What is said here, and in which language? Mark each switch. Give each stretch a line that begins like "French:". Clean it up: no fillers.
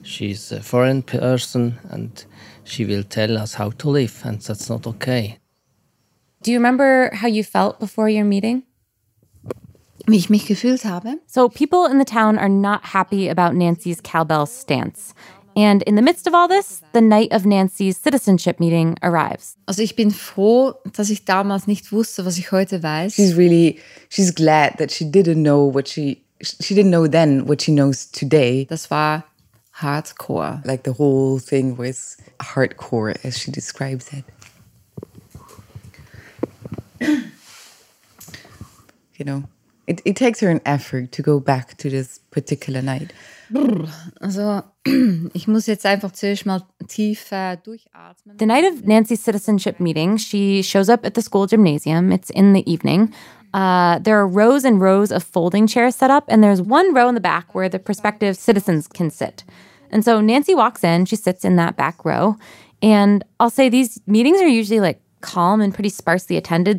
English: She's a foreign person and she will tell us how to live, and that's not okay. Do you remember how you felt before your meeting?
German: Wie ich mich gefühlt habe.
English: So people in the town are not happy about Nancy's cowbell stance. And in the midst of all this, the night of Nancy's citizenship meeting arrives.
German: Also ich bin froh, dass ich damals nicht wusste, was ich heute weiß.
English: She's glad that she didn't know what she didn't know then what she knows today.
German: Das war hardcore.
English: Like the whole thing was hardcore, as she describes it. You know, it takes her an effort to go back to this particular night.
German: Also, ich muss jetzt einfach zuerst mal tief durchatmen.
English: The night of Nancy's citizenship meeting, she shows up at the school gymnasium. It's in the evening. There are rows and rows of folding chairs set up, and there's one row in the back where the prospective citizens can sit. And so Nancy walks in, she sits in that back row. And I'll say these meetings are usually like calm and pretty sparsely attended.